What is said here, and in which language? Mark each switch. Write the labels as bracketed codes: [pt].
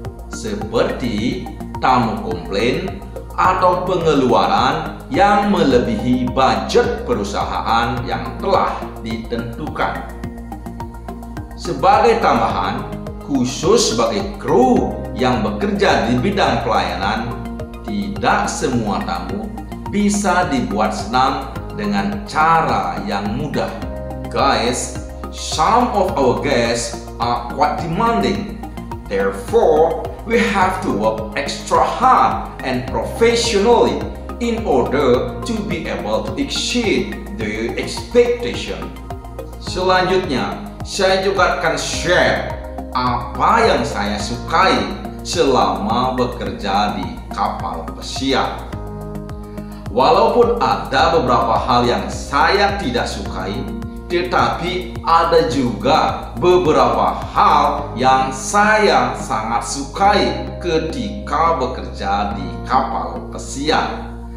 [id] Seperti tamu komplain atau pengeluaran yang melebihi budget perusahaan yang telah ditentukan. Sebagai tambahan, khusus sebagai kru yang bekerja di bidang pelayanan, tidak semua tamu bisa dibuat senang dengan cara yang mudah. [en] Guys, some of our guests are quite demanding. Therefore, we have to work extra hard and professionally in order to be able to exceed the expectation. [id] Selanjutnya, saya juga akan share apa yang saya sukai selama bekerja di kapal pesiar. Walaupun ada beberapa hal yang saya tidak sukai, tetapi ada juga beberapa hal yang saya sangat sukai ketika bekerja di kapal pesiar.